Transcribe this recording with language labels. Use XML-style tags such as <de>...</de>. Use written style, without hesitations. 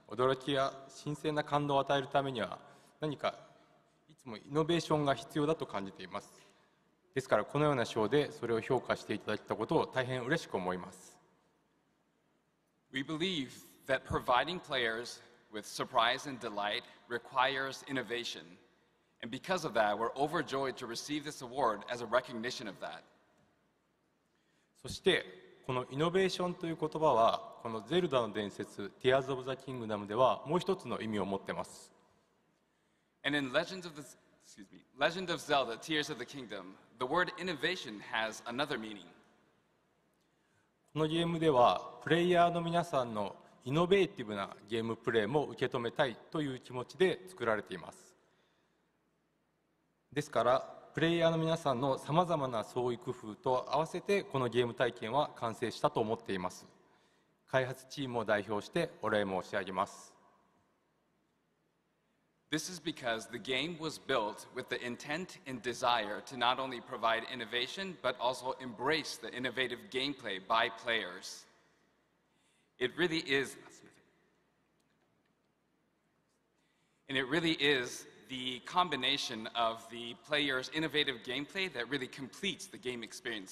<ja>プレイヤーの皆さんに驚きや新鮮な感動を与えるためには何かいつもイノベーションが必要だと感じています。ですからこのような賞でそれを評価していただいたことを大変嬉しく思います。</ja> <en>We believe that providing players with surprise and delight requires innovation. And because of that, we're overjoyed to receive this award as a recognition of that.</en> <ja>そしてこのイノベーションという言葉はこのゼルダの伝説 Tears of the Kingdom ではもう一つの意味を持っています。</ja> <en>And in Legend of Zelda Tears of the Kingdom, the word innovation has another meaning.</en> <ja>このゲームではプレイヤーの皆さんのイノベーティブなゲームプレイも受け止めたいという気持ちで作られています。ですからプレイヤーの皆さんのさまざまな創意工夫と合わせてこのゲーム体験は完成したと思っています。開発チームを代表してお礼申し上げます。</ja> <en>This is because the game was built with the intent and desire to not only provide innovation but also embrace the innovative gameplay by players. It really is and it really isthe combination of the player's innovative gameplay that really completes the game experience.</en>